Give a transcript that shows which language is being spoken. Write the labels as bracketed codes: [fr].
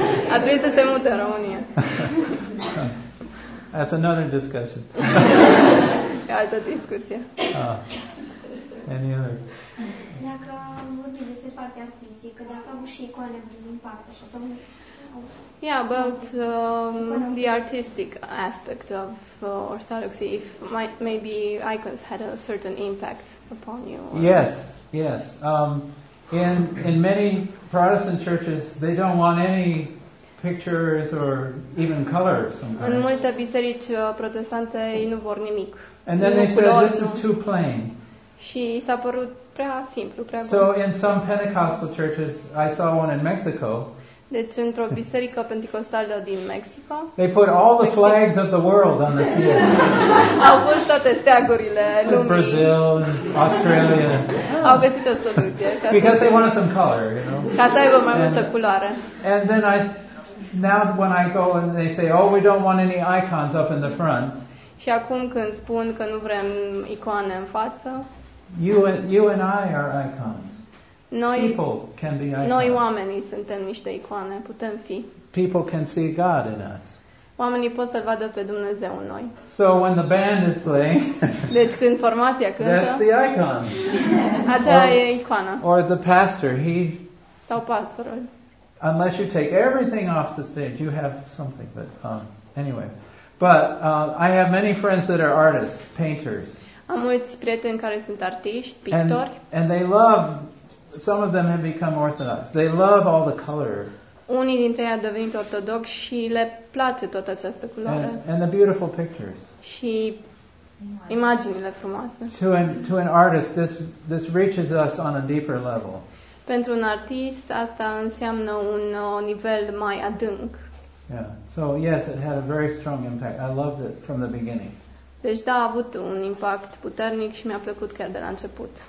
[ro] A trebuit să te mut în România. [en] That's another discussion. [ro] E altă discuție. [en] Any other? [ro] Dacă vorbim despre partea artistică, dacă am și icoane din partea așa, sau... [en] Yeah, about the artistic aspect of Orthodoxy, if maybe icons had a certain impact upon you. Yes. In many Protestant churches, they don't want any pictures or even color of some kind. [ro] În multe biserici protestante ei nu vor nimic. [en] And then they said this is too plain. [ro] Și s-a părut prea simplu, prea bun. [en] So in some Pentecostal churches, I saw one in Mexico. [ro] Deci într-o biserică pentecostală din Mexico. [en] They put all the flags of the world on the ceiling. [ro] Au pus toate steagurile lumii. [en] It's Brazil, Australia. [ro] Au găsit o soluție. [en] Because they wanted some color, you know. [ro] Ca să aibă mai multă culoare. [en] And then I, now when I go and they say, oh, we don't want any icons up in the front. [ro] Și acum când spun că nu vrem icoane în față. [en] You and I are icons. [ro] Noi, [en] people can be icons. [ro] Noi oamenii suntem niște icoane, putem fi. [en] People can see God in us. [ro] Oamenii pot să-L vadă pe Dumnezeu în noi. [en] So when the band is playing, [ro] deci când formația cântă, [en] that's the icon. [ro] Aceea e icoana. [en] Or the pastor, he... [ro] Sau pastorul. [en] Unless you take everything off the stage, you have something. But anyway. But I have many friends that are artists, painters. [ro] Am mulți prieteni care sunt artiști, [en] pictori. And they love... Some of them have become Orthodox. They love all the color. [ro] Unii dintre ei au devenit ortodox și le place toată această culoare. [en] And the beautiful pictures. [ro] Și imaginile frumoase. [en] To an artist, this reaches us on a deeper level. [ro] Pentru un artist, asta înseamnă un nivel mai adânc. [en] Yeah. So yes, it had a very strong impact. I loved it from the beginning. [ro] Deci da, a avut un impact puternic și mi-a plăcut chiar de la început.